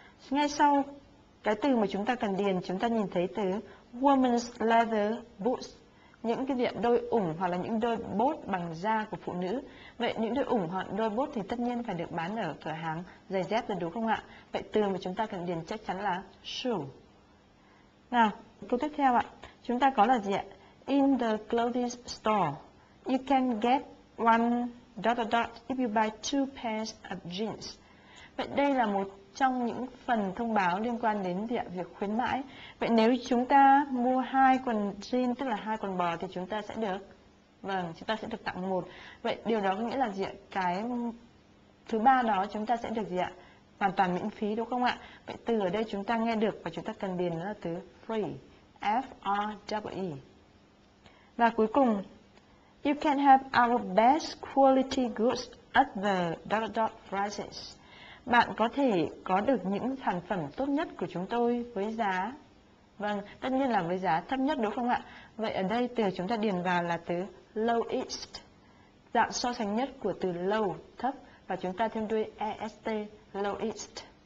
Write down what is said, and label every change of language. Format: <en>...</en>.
<vi>Ngay sau cái từ mà chúng ta cần điền, chúng ta nhìn thấy từ</vi> <en>woman's leather boots.</en> <vi>Những cái diện đôi ủng hoặc là những đôi bốt bằng da của phụ nữ. Vậy những đôi ủng hoặc đôi bốt thì tất nhiên phải được bán ở cửa hàng giày dép rồi đúng không ạ? Vậy từ mà chúng ta cần điền chắc chắn là shoe. Nào, câu tiếp theo ạ. Chúng ta có là gì ạ?</vi> <en>In the clothing store, you can get one dot dot dot if you buy two pairs of jeans.</en> <vi>Vậy đây là một trong những phần thông báo liên quan đến việc khuyến mãi. Vậy nếu chúng ta mua hai quần jean, tức là hai quần bò thì chúng ta sẽ được, vâng, chúng ta sẽ được tặng một. Vậy điều đó có nghĩa là gì ạ? Cái thứ ba đó chúng ta sẽ được gì ạ? Hoàn toàn miễn phí đúng không ạ? Vậy từ ở đây chúng ta nghe được và chúng ta cần điền là từ free, F-R-E-E. Và cuối cùng,</vi> <en>you can have our best quality goods at the dot dot prices.</en> <vi>Bạn có thể có được những sản phẩm tốt nhất của chúng tôi với giá, vâng, tất nhiên là với giá thấp nhất đúng không ạ? Vậy ở đây từ chúng ta điền vào là từ lowest, dạng so sánh nhất của từ low, thấp, và chúng ta thêm đuôi est, lowest.</vi>